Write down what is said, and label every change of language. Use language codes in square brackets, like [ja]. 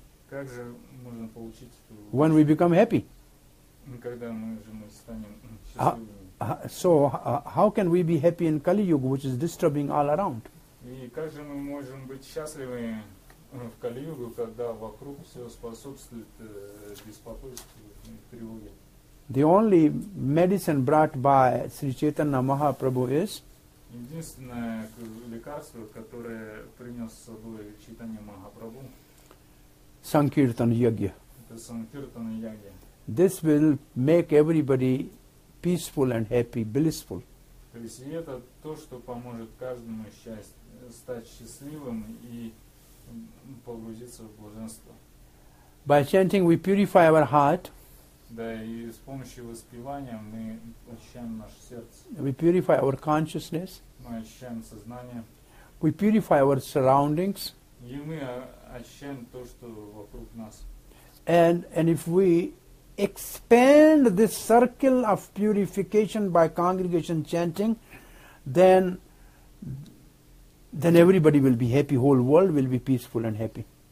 [ru] Как же можно получить эту... [en] When we become happy? [ru] Когда мы же мы станем счастливыми. [en] How can we be happy in Kali Yuga, which is disturbing all around? [ru] И как же мы можем быть счастливы в Кали-Югу, когда вокруг все способствует беспокойству и тревоге? [en] The only medicine brought by Sri Chaitanya Mahaprabhu is? [ru] Единственное лекарство, которое принес с собой Чайтанья Махапрабху. [sa] Санкиртан-Ягья. [ru] Это Санкиртан-Ягья. [en] This will make everybody peaceful and happy, blissful. [ru] То есть это то, что поможет каждому счастью. Стать счастливым и погрузиться в блаженство. [en] By chanting we purify our heart. [ru] Да, и с помощью воспевания мы очищаем наше сердце. [en] We purify our consciousness. [ru] Мы очищаем сознание. [en] We purify our surroundings. [ru] И мы очищаем то, что вокруг нас. [en] And if we expand this circle of purification by congregation chanting, then everybody will be happy, whole world will be peaceful and happy.